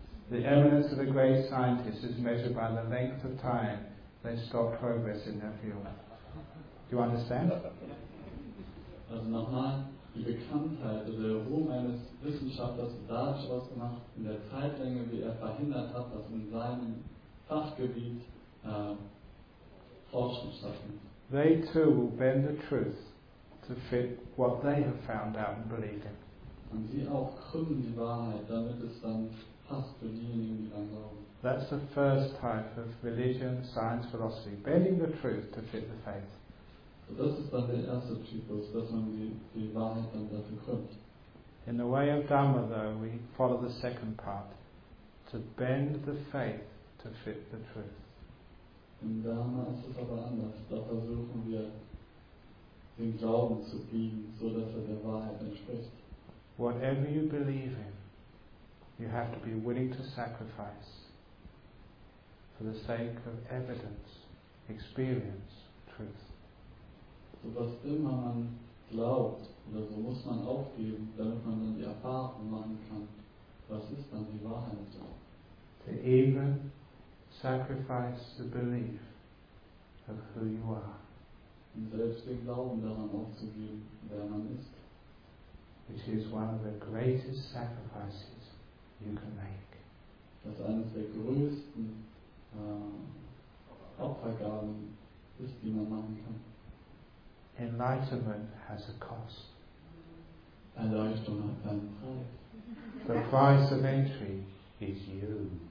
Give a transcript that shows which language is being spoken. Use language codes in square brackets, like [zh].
[en] The eminence of a great scientist is measured by the length of time they stop progress in their field. Do you understand? [de] Also nochmal, die Bekanntheit oder der Ruhm eines Wissenschaftlers dadurch ausgemacht, in der Zeitlänge, wie er verhindert hat, dass in seinem Fachgebiet Forschung stattfindet. [en] They too will bend the truth to fit what they have found out and believed in. [de] Und sie auch krümmen die Wahrheit, damit es dann passt für diejenigen, die dann glauben. [en] That's the first type of religion, science, philosophy. Bending the truth to fit the faith. [de] So das ist dann der erste Typus, dass man die Wahrheit dann dafür krümmt. [en] In the way of Dhamma, though, we follow the second part. To bend the faith to fit the truth. [de] In Dhamma ist es aber anders. Da versuchen wir, den Glauben zu biegen, so dass der Wahrheit entspricht. [en] Whatever you believe in, you have to be willing to sacrifice for the sake of evidence, experience, truth. [de] So was immer man glaubt, oder so muss man aufgeben, damit man dann die Erfahrung machen kann, was ist dann die Wahrheit? [en] To even sacrifice the belief of who you are. [de] Und selbst den Glauben daran aufzugeben, wer man ist. [en] Which is one of the greatest sacrifices you can make. [de] Das ist eines der größten Opfergaben ist, die man machen kann. [en] Enlightenment has a cost. [de] Erleuchtung hat einen Preis. [en] The price of entry is you.